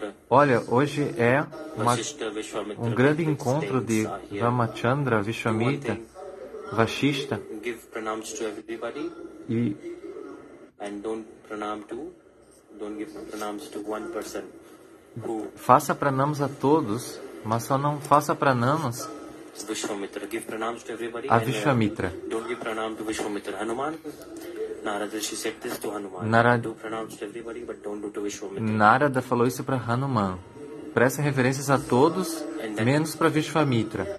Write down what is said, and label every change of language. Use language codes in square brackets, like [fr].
[pt] Olha, hoje é um grande encontro de Ramachandra, Vishwamitra, Vashishta. [en] Give pranams to everybody. And don't pranam to. Don't give pranams to one person. [pt] Faça pranams a todos, mas só não faça pranams. [en] Vishwamitra, give pranams to everybody. [pt] A Vishwamitra. [en] Don't give pranam to Vishwamitra. Hanuman. Narada, she said this to Hanuman. Narada. Do pranams to everybody, but don't do to Vishwamitra. [pt] Narada falou isso para Hanuman. Presta referências a todos, menos para Vishwamitra.